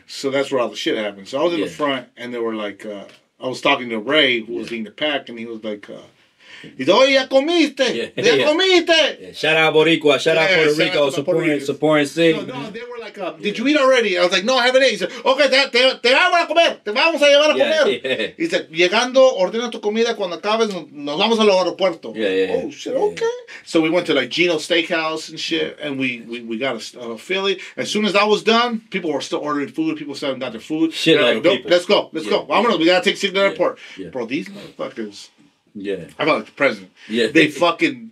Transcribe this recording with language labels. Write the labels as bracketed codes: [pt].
[en] So that's where all the shit happened. So I was in the front, and they were like, I was talking to Ray, who was in the pack, and he was like, he's like, [es] oye, ya comiste. Ya comiste. [en] Yeah. Shout out Boricua. Shout out Puerto Rico, supporting SIG. No, they were like, did you eat already? I was like, no, I haven't eaten. He said, okay, [es] te vamos a comer. [en] Te vamos a llevar a comer. Yeah. He said, [es] llegando, ordena tu comida cuando acabes, nos vamos al aeropuerto. [en] Yeah, okay. So we went to like Gino Steakhouse and shit, and we got a Philly. As soon as that was done, people were still ordering food. People said, got their food. Shit, like, nope, let's go. We gotta take SIG to the airport. Yeah. Bro, these motherfuckers. Yeah. How about like the president? Yeah. They fucking...